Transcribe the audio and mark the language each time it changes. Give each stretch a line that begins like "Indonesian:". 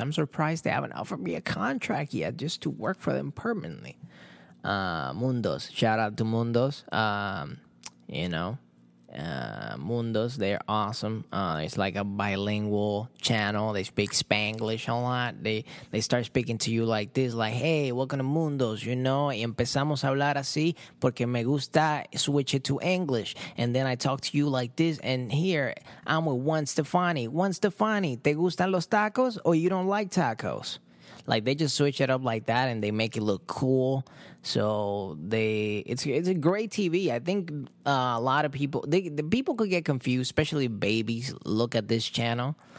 English: I'm surprised they haven't offered me a contract yet just to work for them permanently. Mundos. Shout out to Mundos. You know. Mundos, they're awesome. It's like a bilingual channel. They speak Spanglish a lot. They start speaking to you like this, like, hey, welcome to Mundos, you know.
Spanish: Y empezamos a hablar así porque me gusta
English: switch it to English. And then I talk to you like this, and here I'm with Juan Stefani. Juan Stefani,
Spanish: ¿te gustan los tacos
English: or you don't like tacos? Like, they just switch it up like that, and they make it look cool. So it's a great TV. I think a lot of people, the people could get confused, especially babies look at this channel.